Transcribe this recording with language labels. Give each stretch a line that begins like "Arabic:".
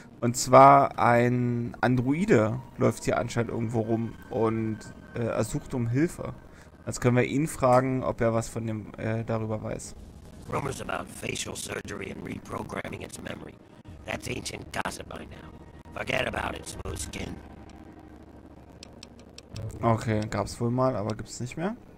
German: Und zwar ein Androide läuft hier anscheinend irgendwo rum und ersucht um Hilfe. Jetzt können wir ihn fragen, ob er was von dem darüber weiß.
English: Rumors about facial surgery and reprogramming its memory. That's ancient gossip by now. Forget about it, smooth skin.
German: Okay, gab's wohl mal, aber gibt's nicht mehr.